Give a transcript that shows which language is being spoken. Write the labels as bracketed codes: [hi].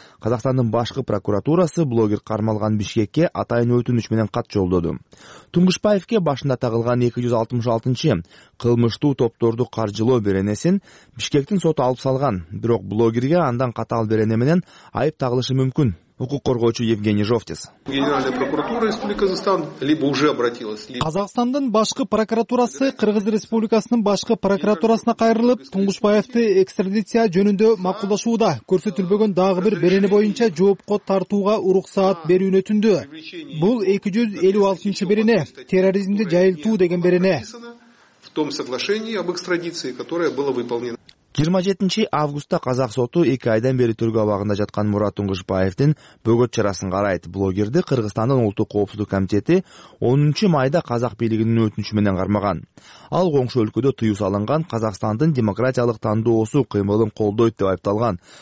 [ky] Казакстандын башкы прокуратурасы блогер кармалган Бишкекке атайын өтүнүч менен кат жолдоду. Туңгушбаевке башында тагылган 266 кылмыштуу топторду каржылоо беренесин Бишкектин соту алып салган, бирок блогерге андан катаал берене менен айып тагылышы мүмкүн. укук коргоочу Евгений Жовтис. [ru] Генеральная прокуратура Республики Казахстан либо уже обратилась. [ky] Казахстандын башкы прокуратурасы Кыргыз Республикасынын башкы прокуратурасына кайрылып, Тунгушбаевди экстрадиция жөнүндө макулдашууда көрсөтүлбөгөн дагы бир берене боюнча жоопко тартууга уруксат берүүнү өтүндү. Бул 256-чы берене, терроризмди жайылтуу деген берене. [ru] В том соглашении об экстрадиции, которое было выполнено [ky] 27 августта Казак соту 2 айдан бери тергөө абагында жаткан Мурат Тунгушбаевдин бөгөт чарасын карайт. Блогерди Кыргызстандын улуттук коопсуздук комитети 10 майда Казак бийлигинин өтүнүчү менен кармаган. Ал коңшу өлкөдө тыюу салынган Казакстандын демократиялык тандоосу кыймылын колдойт деп айыпталган.